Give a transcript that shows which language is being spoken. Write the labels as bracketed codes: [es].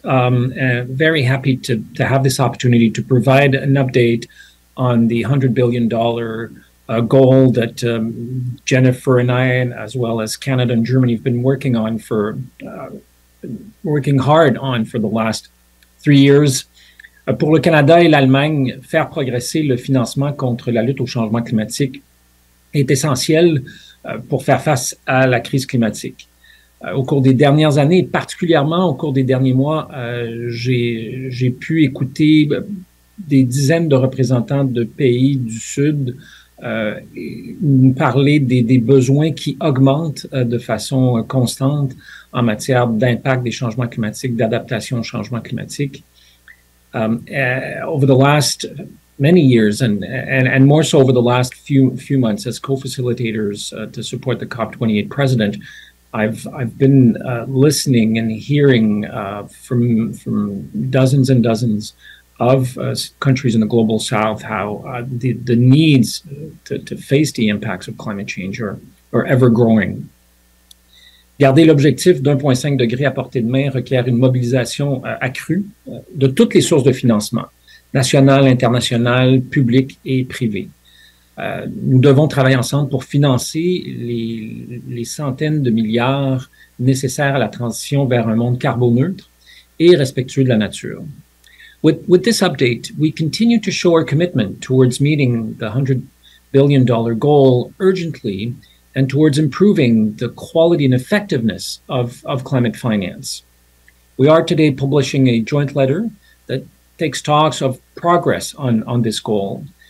[en] Very happy to have this opportunity to provide an update on the $100 billion goal that Jennifer and I, as well as Canada and Germany, have been working on for working hard on for the last 3 years. [fr] Pour le Canada et l'Allemagne, faire progresser le financement contre la lutte au changement climatique est essentiel pour faire face à la crise climatique. Au cours des dernières années, particulièrement au cours des derniers mois, j'ai pu écouter des dizaines de représentants de pays du Sud nous parler des besoins qui augmentent de façon constante en matière d'impact des changements climatiques, d'adaptation au changement climatique. [en] Over the last many years, and more so over the last few months, as co-facilitators to support the COP28 president, I've been listening and hearing from dozens and dozens of countries in the global south how the needs to face the impacts of climate change are ever growing. [fr] Garder l'objectif d'1,5 degré à portée de main requiert une mobilisation accrue de toutes les sources de financement, nationales, internationales, publiques et privées. Nous devons travailler ensemble pour financer les centaines de milliards nécessaires à la transition vers un monde carboneutre et respectueux de la nature. [en] With this update, we continue to show our commitment towards meeting the $100 billion goal urgently and towards improving the quality and effectiveness of climate finance. We are today publishing a joint letter that takes stock of progress on this goal.